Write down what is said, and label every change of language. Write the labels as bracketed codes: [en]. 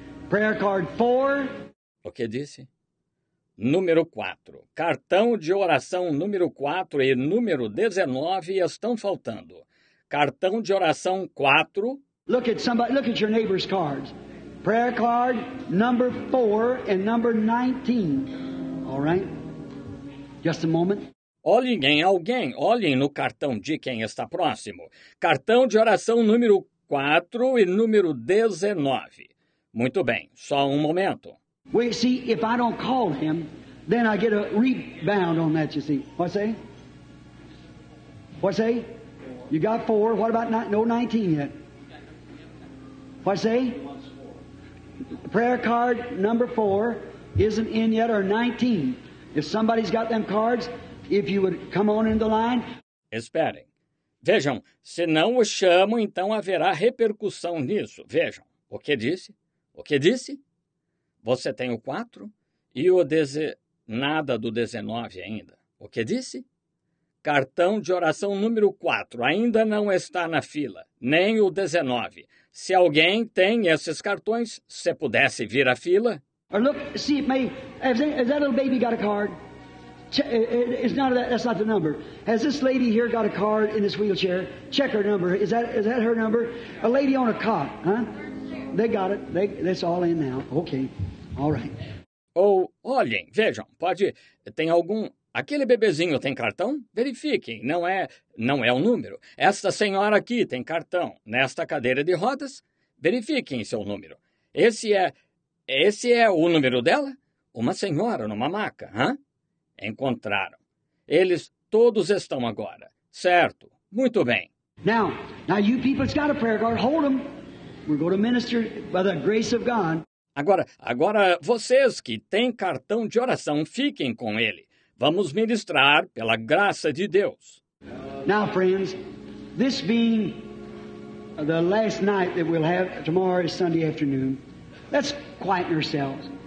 [en] Prayer card four. [pt] O que disse? Número 4. Cartão de oração número 4 e número 19 estão faltando. Cartão de oração 4. [en] Look at somebody, look at your neighbor's cards. Prayer card number 4 and number 19. All right? Just a moment. [pt] Olhem em alguém, olhem no cartão de quem está próximo. Cartão de oração número 4 e número 19. Muito bem, só um momento. [en] Well, you see, if I don't call him, then I get a rebound on that, you see. What say? What say? You got four. What about no 19 yet? What say? Prayer card number four isn't in yet, or 19. If somebody's got them cards, if you would come on in the line. [pt] Esperem. Vejam, se não o chamo, então haverá repercussão nisso. Vejam, o que disse? O que disse? Você tem o 4 e o nada do 19 ainda. O que disse? Cartão de oração número 4 ainda não está na fila, nem o 19. Se alguém tem esses cartões, se pudesse vir à fila. [en] Or look, see if has that little baby got a card? It's not that, that's not the number. Has this lady here got a card in this wheelchair? Check her number. Is that her number? A lady on a cot, huh? They got it. That's all in now. Okay. All right. [pt] Ou, olhem, vejam, pode, tem algum, aquele bebezinho tem cartão? Verifiquem, não é o número. Esta senhora aqui tem cartão, nesta cadeira de rodas? Verifiquem seu número. Esse é o número dela? Uma senhora numa maca, hã? Encontraram. Eles todos estão agora, certo? Muito bem. [en] Now you people's got a prayer card, hold them. We're going to minister by the grace of God. [pt] Agora, vocês que têm cartão de oração, fiquem com ele. Vamos ministrar pela graça de Deus. [en] Now, friends, this being the last night that we'll have, tomorrow is Sunday afternoon, let's quieten ourselves.